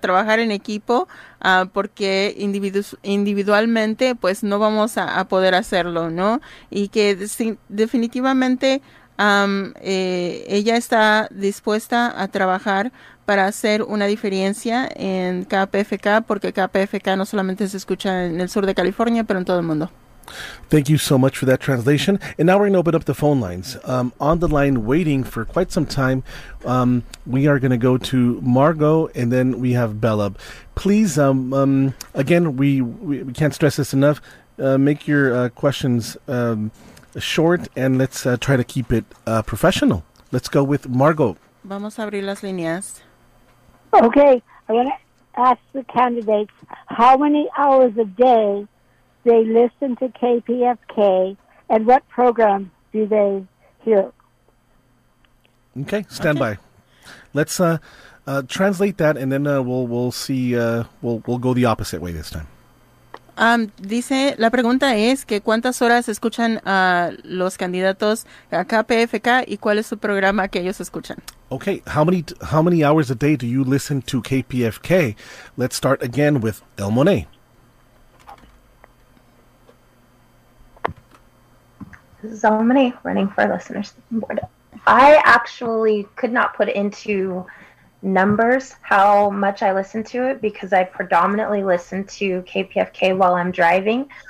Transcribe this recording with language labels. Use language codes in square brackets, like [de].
[es] Trabajar en equipo, porque individualmente pues no vamos a poder hacerlo, ¿no? Y que definitivamente ella está dispuesta a trabajar para hacer una diferencia en KPFK, porque KPFK no solamente se escucha en el sur de California, pero en todo el mundo. [en] Thank you so much for that translation. And now we're going to open up the phone lines. On the line waiting for quite some time, we are going to go to Margot, and then we have Bella. Please, again, we can't stress this enough. Make your questions short, and let's try to keep it professional. Let's go with Margot. [es] Vamos a abrir las líneas. [en] Okay. I'm going to ask the candidates how many hours a day they listen to KPFK, and what programs do they hear? Okay, stand by. Let's translate that, and then we'll go the opposite way this time. [es] Dice, la pregunta es que cuántas horas escuchan a los candidatos a KPFK y cuál es su programa que ellos escuchan. [en] Okay, how many hours a day do you listen to KPFK? Let's start again with El Monet. This is El Monet running for listeners board. I actually could not put into numbers how much I listen to it because I predominantly listen to KPFK while I'm driving.